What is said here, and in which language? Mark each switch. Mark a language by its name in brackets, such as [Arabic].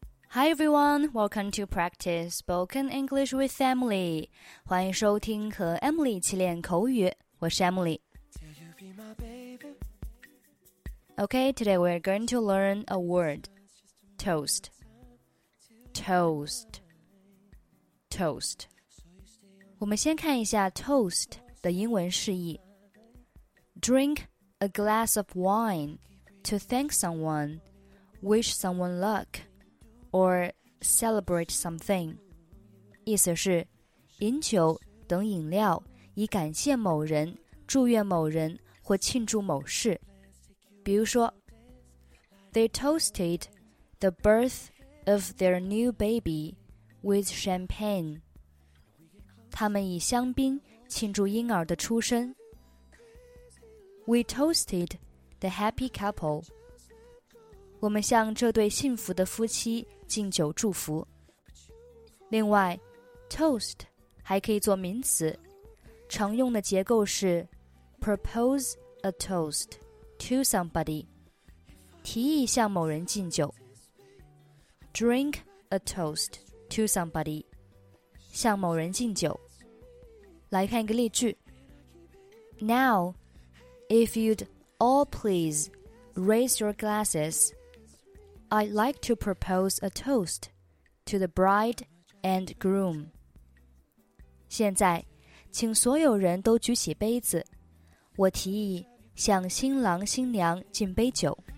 [English] Hi everyone, welcome to Practice Spoken English with Emily. [Chinese] 欢迎收听和 Emily 一起练口语。我是 Emily. [English] Okay, today we're going to learn a word. Toast. Toast. Toast. [Chinese] 我们先看一下 toast 的英文释义。 [English] Drink a glass of wine to thank someone, wish someone luck. Or celebrate something. [Chinese] 意思是饮酒等饮料以感谢某人祝愿某人或庆祝某事。比如说 [English] They toasted the birth of their new baby with champagne. [Chinese] 他们以香槟庆祝婴儿的出生。 [English] We toasted the happy couple. [Chinese] 我们向这对幸福的夫妻敬酒祝福。另外 ,toast 还可以做名词。常用的结构是 [English] propose a toast to somebody, [Chinese] 提议向某人敬酒。 [English] Drink a toast to somebody, [Chinese] 向某人敬酒。来看一个例句。 [English] Now, if you'd all please raise your glasses,I'd like to propose a toast to the bride and groom. [Chinese] 现在，请所有人都举起杯子，我提议向新郎新娘敬杯酒。